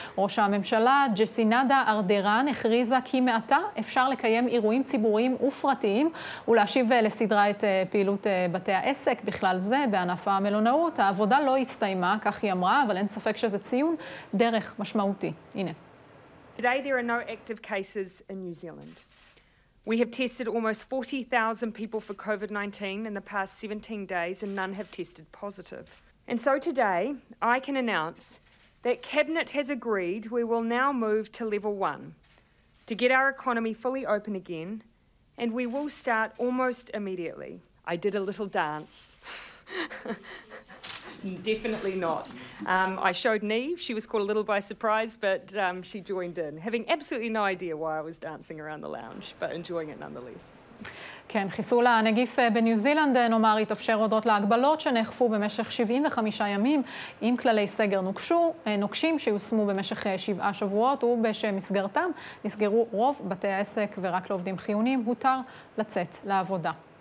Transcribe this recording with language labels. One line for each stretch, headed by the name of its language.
Hebrew: ראש הממשלה ג'סינדה ארדרן הכריזה כי מעתה אפשר לקיים אירועים ציבוריים ופרטיים ולהשיב לסדרה את פעילות בתי העסק. בכלל זה בענף המלונאות, העבודה לא הסתיימה, כך היא אמרה, אבל אין ספק שזה ציון דרך משמעותי. הנה.
English: Today there are no active cases in New Zealand. We have tested almost 40,000 people for COVID-19 in the past 17 days and none have tested positive. And so today I can announce that Cabinet has agreed we will now move to level 1 to get our economy fully open again and we will start almost immediately. I did a little dance. Definitely not. I showed Neve, she was caught a little by surprise, but she joined in, having absolutely no idea why I was dancing around the lounge, but enjoying it nonetheless.
Hebrew: כן, חיסול הנגיף בניו זילנד, נאמר, התאפשר הודות להגבלות שנאכפו במשך 75 ימים, עם כללי סגר נוקשים שיושמו במשך 7 שבועות, ובשמסגרתם נסגרו רוב בתי העסק ורק לעובדים חיוניים, הותר לצאת לעבודה.